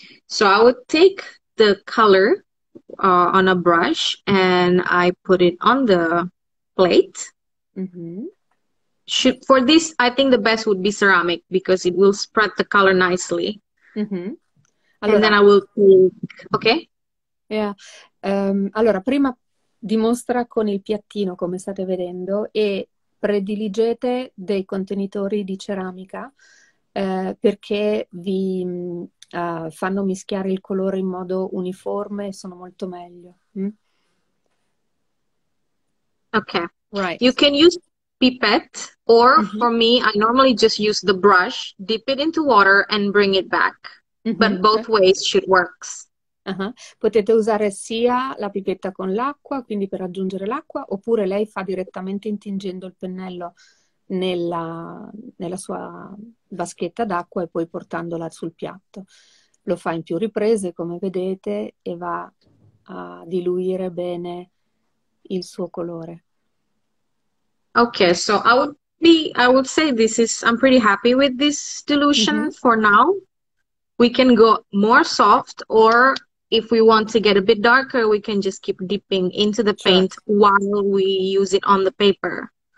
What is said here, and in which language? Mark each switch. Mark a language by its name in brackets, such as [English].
[English] So I would take the color on a brush and I put it on the plate. For this, I think the best would be ceramic because it will spread the color nicely. And [Italian] Allora, [English] then I will take, okay? yeah. [Italian] Allora, prima dimostra con il piattino come state vedendo e prediligete dei contenitori di ceramica perché vi fanno mischiare il colore in modo uniforme e sono molto meglio. [English] Okay, Right. you can use pipette, or for me, I normally just use the brush, dip it into water, and bring it back. But both ways should work. [Italian] Potete usare sia la pipetta con l'acqua, quindi per aggiungere l'acqua, oppure lei fa direttamente intingendo il pennello nella sua vaschetta d'acqua e poi portandola sul piatto. Lo fa in più riprese, come vedete, e va a diluire bene il suo colore. [English] Okay, so I would say this is, I'm pretty happy with this dilution for now. We can go more soft, or if we want to get a bit darker, we can just keep dipping into the Sure. paint while we use it on the paper.